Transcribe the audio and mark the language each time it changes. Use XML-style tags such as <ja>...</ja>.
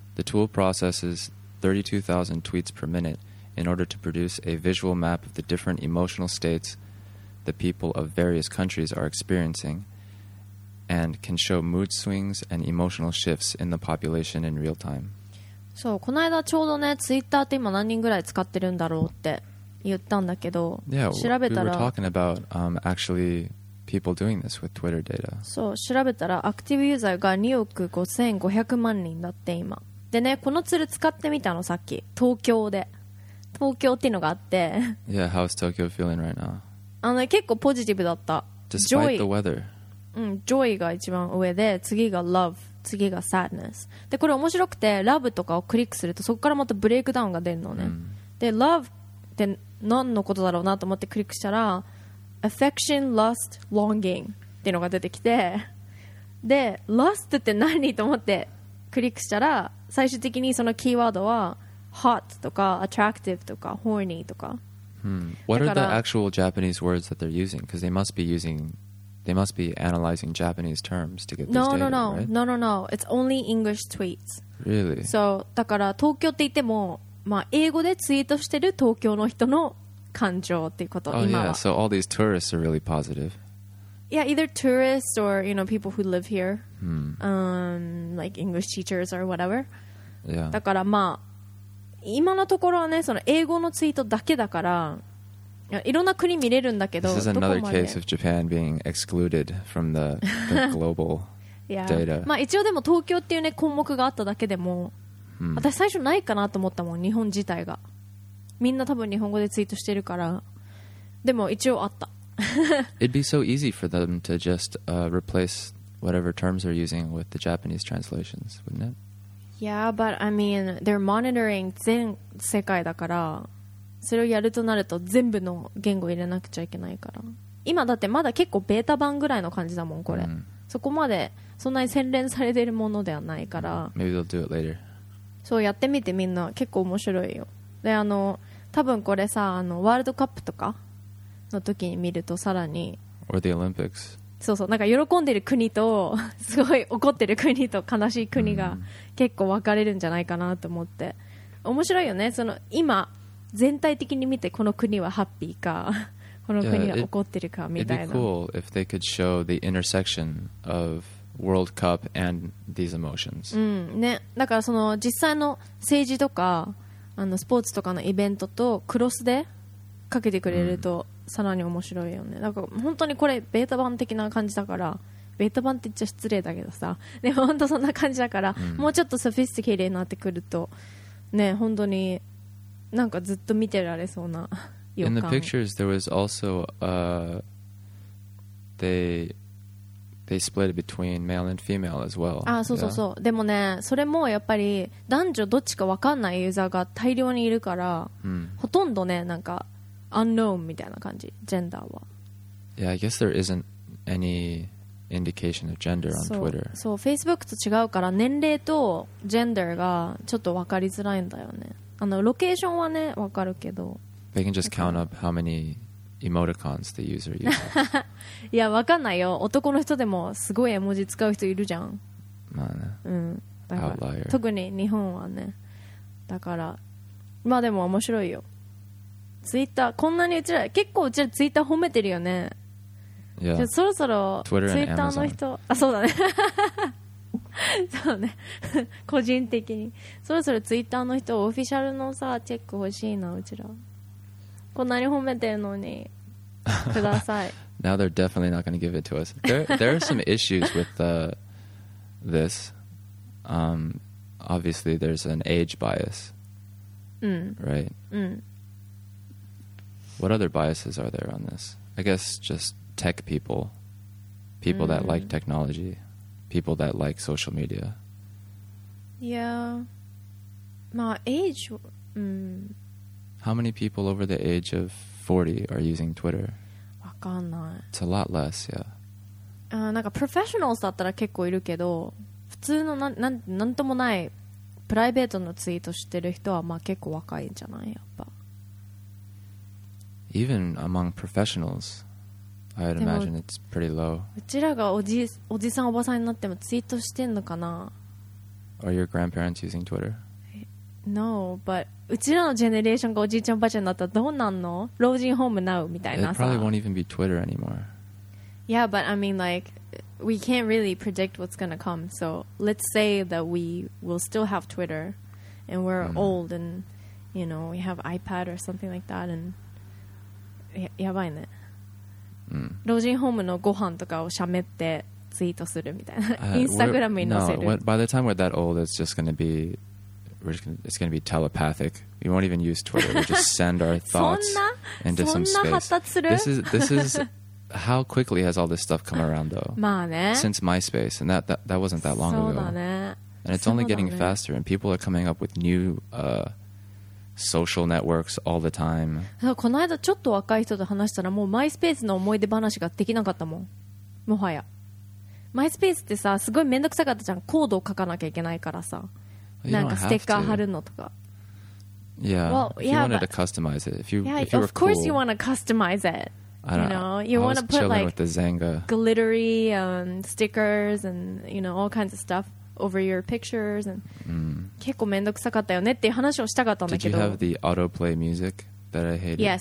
<en>The tool processes 32,000 tweets per minute in order to produce a visual map of the different emotional states the people of various countries are experiencing and can show mood swings and emotional shifts in the population in real time.</en> <ja>そう、この間ちょうどね、ツイッターって今何人ぐらい使ってるんだろうって言ったんだけど、調べたら、</ja> <en>we were talking about, actually people doing this with Twitter data.</en> <ja>そう、調べたらアクティブユーザーが2億5500万人だって今。でね、このツール使ってみたのさっき、東京で。東京っていうのがあって。</ja> <en>Yeah, how's Tokyo feeling right now?</en> <ja>あの、ね、結構ポジティブだった。</ja> <en>Despite the weather.</en> <ja>Joy が一番上で、次が Love。次が sadness で、これ面白くて、 love とかをクリックするとそこからまたブレイクダウンが出るのね、で love って何のことだろうなと思ってクリックしたら affection, lust, longing っていうのが出てきて、で lust って何と思ってクリックしたら、最終的にそのキーワードは hot とか attractive とか horny とか、</ja> <en>What are the actual Japanese words that they're using? Because they must be usingThey must be analyzing Japanese terms to get this data, right? No. It's only English tweets. Really?</en> <ja>So, だから東京って言っても、まあ英語でツイートしてる東京の人の感情っていうこと。</ja> <en>Oh,</en> <ja>今は。</ja> <en>Yeah. So all these tourists are really positive. Yeah, either tourists or you know people who live here, like English teachers or whatever. Yeah.</en> <ja>だからまあ今のところはね、その英語のツイートだけだから。いろんな国見れるんだけど、</ja> <en>This is another case of Japan being excluded from the global data. Yeah.</en> <ja>まあ一応でも東京っていうね項目があっただけでも、私最初ないかなと思ったもん、日本自体が。みんな多分日本語でツイートしてるから。でも一応あった。</ja> <en>It'd be so easy for them to just replace whatever terms they're using with the Japanese translations, wouldn't it? Yeah, but I mean, they're monitoring</en> <ja>全世界だから、それをやるとなると全部の言語を入れなくちゃいけないから。今だってまだ結構ベータ版ぐらいの感じだもん、これ。 Mm. そこまでそんなに洗練されてるものではないから。</ja> <en>Maybe they'll do it later.</en> <ja>そう、やってみてみんな結構面白いよ。で、あの、多分これさ、あの、ワールドカップとかの時に見るとさらに。</ja> <en>Or the Olympics.</en> <ja>そうそう、なんか喜んでる国とすごい怒ってる国と悲しい国が結構分かれるんじゃないかなと思って、うん、面白いよね、その今全体的に見てこの国はハッピーかこの国が怒ってるかみたいな。</ja> <en>It'd be cool if they could show the intersection of World Cup and these emotions、</en> <ja>うんね、だからその実際の政治とかあのスポーツとかのイベントとクロスでかけてくれると、うん、さらに面白いよね。だから本当にこれベータ版的な感じだから、ベータ版って言っちゃ失礼だけどさ、でも本当そんな感じだから、うん、もうちょっとソフィスティケイになってくるとね、本当になんかずっと見てられそうな予感。</ja> <en>In the pictures there was also they split between male and female as well.</en> <ja>あ、そうそうそう、yeah? でもね、それもやっぱり男女どっちか分かんないユーザーが大量にいるから、うん、ほとんどね、なんかUnknown みたいな感じ、ジェンダーは。</ja> <en>Yeah, I guess there isn't any indication of gender on Twitter.</en> <ja>そう、Facebook と違うから年齢とジェンダーがちょっと分かりづらいんだよね。あの、ロケーションはね、分かるけど。</ja> <en>They can just count up how many emoticons the user uses.</en> <ja>いや、分かんないよ。男の人でもすごい絵文字使う人いるじゃん。まあね。うん。だから Outlier. 特に日本はね。だから、まあでも面白いよ。ツイッターこんなにうちら結構うちらツイッター褒めてるよね。 Yeah. じゃそろそろツイッターの人、あ、そうだね。そうね。個人的にそろそろツイッターの人オフィシャルのさチェック欲しいな、うちら。こんなに褒めてるのにください。</ja> <en>Now they're definitely not going to give it to us. There are some issues with this. Obviously there's an age bias.</en> <ja>うん。</ja> <en>Right.</en> <ja>うん。</ja> <en>What other biases are there on this? I guess just tech people. People、mm. that like technology. People that like social media. Yeah. まあ age...、Mm. How many people over the age of 40 are using Twitter?</en> <ja>わかんない。</ja> <en>It's a lot less, yeah.</en> <ja>なんか professionals だったら結構いるけど、普通のなんともないプライベートのツイートしてる人はまあ結構若いんじゃない、やっぱ。</ja> <en>Even among professionals, I'd imagine it's pretty low.</en> <ja>うちらがおじさんおばさんになってもツイートしてんのかな?</ja> <en>Are your grandparents using Twitter? No, but</en> <ja>うちらのジェネレーションがおじいちゃんおばあちゃんになったらどうなんの? 老人ホームなうみたいなさ。</ja> <en>It probably won't even be Twitter anymore. Yeah, but I mean like, we can't really predict what's gonna come. So let's say that we will still have Twitter and we're、mm. old and, you know, we have iPad or something like that and</en> <ja>やばいね、うん、老人ホームのご飯とかをしゃべってツイートするみたいな、インスタグラムに載せる。</ja> <en>No, by the time we're that old, it's going to be telepathic. We won't even use Twitter. We just send our thoughts into some space.</en> <ja>そんな発達する?</ja> <en>This is how quickly has all this stuff come around though?</en> <ja>まあね、</ja> <en>since MySpace, and that wasn't that long ago.</en> <ja>そうだね、</ja> <en>and it's only getting faster, and people are coming up with newSocial networks all the time.</en> <ja>この間ちょっと若い人と話したらもうマイスペースの思い出話ができなかったもん。もはや。マイスペースってさ、すごいめんどくさかったじゃん。コードを書かなきゃいけないからさ。なんかステッカー貼るのとか。</ja> <en>Yeah. Well, if you wanted to customize it. If you were of course cool, you want to customize it. You know? You want to put like glittery stickers and, you know, all kinds of stuff. Over your pictures and、 mm.</en> <ja>結構めんどくさかったよねっていう話をしたかったんだけど。</ja> <en>Did you have the autoplay music that I hated?</en>